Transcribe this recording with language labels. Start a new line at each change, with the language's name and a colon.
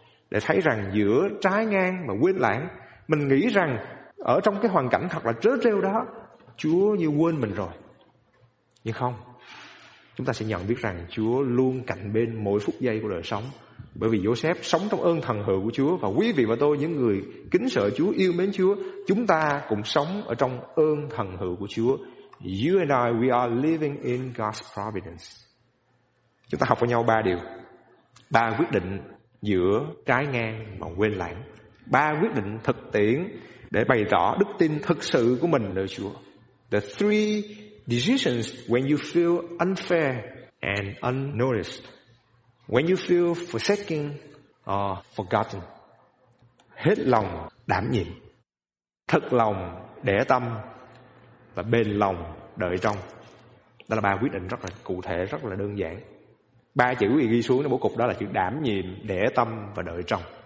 Vietnamese: Để thấy rằng giữa trái ngang và quên lãng, mình nghĩ rằng ở trong cái hoàn cảnh thật là trớ trêu đó, Chúa như quên mình rồi. Nhưng không, chúng ta sẽ nhận biết rằng Chúa luôn cạnh bên mỗi phút giây của đời sống. Bởi vì Joseph sống trong ơn thần hữu của Chúa, và quý vị và tôi, những người kính sợ Chúa, yêu mến Chúa, chúng ta cũng sống ở trong ơn thần hữu của Chúa.
English: You and I, we are living in God's providence.
Vietnamese: Chúng ta học với nhau ba điều. Ba quyết định giữa trái ngang và quên lãng. Ba quyết định thực tiễn để bày tỏ đức tin thực sự của mình nơi Chúa.
English: The three decisions when you feel unfair and unnoticed. When you feel forsaken or forgotten.
Vietnamese: Hết lòng đảm nhiệm, thật lòng để tâm, và bền lòng đợi trông. Đó là ba quyết định rất là cụ thể, rất là đơn giản. Ba chữ thì ghi xuống trong bố cục đó là chữ đảm nhiệm, để tâm và đợi trông.